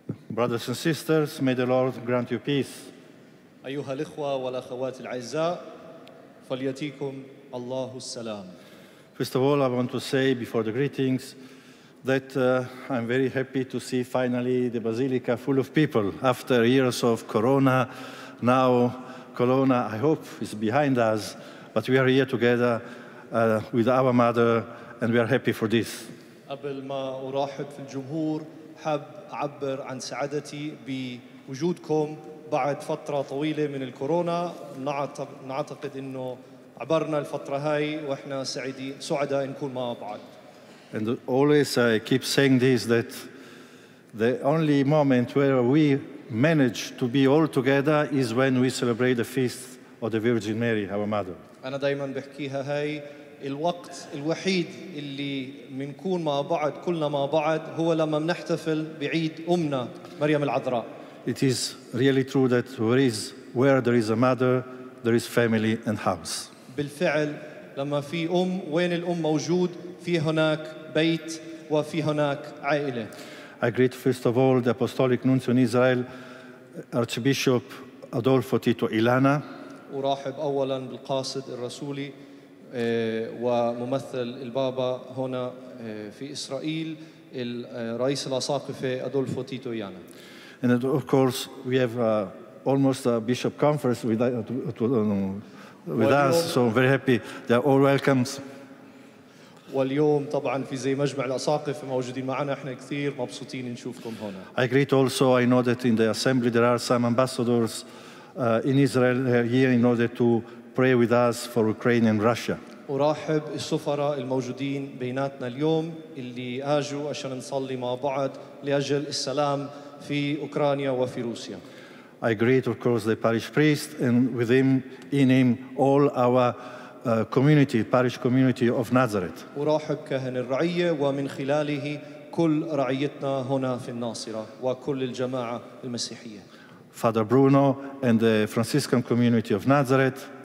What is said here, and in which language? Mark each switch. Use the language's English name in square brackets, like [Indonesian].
[English] Brothers and sisters, may the Lord grant you peace. [Arabic] أيها الإخوة والأخوات الأعزاء، فليأتيكم الله السلام. [English] First of all, I want to say before the greetings that I'm very happy to see finally the Basilica full of people after years of Corona. Now Corona, I hope, is behind us, but we are here together with our mother, and we are happy for this. [Arabic] قبل ما أرحب في الجمهور، حب أعبر عن سعادتي بوجودكم بعد فترة طويلة من الكورونا نعتقد أنه عبرنا الفترة هاي وإحنا سعداء نكون مع بعض [English] And always I keep saying this that the only moment where we manage to be all together is when we celebrate the feast of the Virgin Mary, our mother. [Arabic] أنا دايماً بحكيها هاي الوقت الوحيد اللي منكون مع بعض كلنا مع بعض هو لما منحتفل بعيد أمنا مريم العذراء. [English] It is really true that where there is a mother, there is family and house. [Arabic] بالفعل لما في أم وين الأم موجود في هناك بيت وفي هناك عائلة. [English] I greet first of all the Apostolic Nuncio in Israel, Archbishop Adolfo Tito Ilana. [Arabic] أرحب أولا بالقاصد الرسولي. وممثل البابا هنا في إسرائيل الرئيس الأساقفة أدولفو تيتو يانا. [English] And of course we have almost a bishop conference with us, so very happy. They are all welcomes. [Arabic] واليوم طبعا في زي مجمع الأساقف موجودين معنا احنا كثير مبسوطين نشوفكم هنا. [English] I greet also, I know that in the assembly there are some ambassadors in Israel here in order to pray with us for Ukraine and Russia. [Arabic] ورحب السفراء الموجودين بيناتنا اليوم اللي اجوا عشان نصلي مع بعض لاجل السلام في اوكرانيا وفي روسيا. [English] I greet of course the parish priest and with him in him all our community, parish community of Nazareth. [Arabic] ورحب كاهن الرعية ومن خلاله كل رعيتنا هنا في الناصرة وكل الجماعة المسيحية. [English] Father Bruno and the Franciscan community of Nazareth.